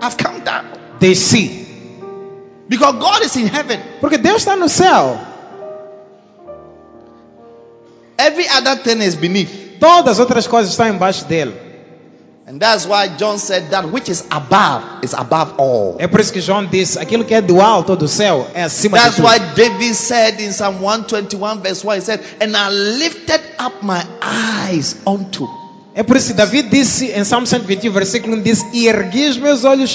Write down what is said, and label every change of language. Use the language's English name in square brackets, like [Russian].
[English] I've come down. [Portuguese] Desce. [English] Because God is in heaven. [Portuguese] Porque Deus está no céu. [English] Every other thing is beneath. [Portuguese] Todas as outras coisas estão embaixo dele. [English] And that's why John said that which is above all. [Portuguese] É por isso que João diz, aquilo que é do alto do céu é acima [English] that's [Portuguese] de tudo. [English] That's why David said in Psalm 121 verse 1 he said, and I lifted up my eyes unto. [Portuguese] É por isso que David disse em Psalm 121 versículo 1 diz, ergui os meus olhos.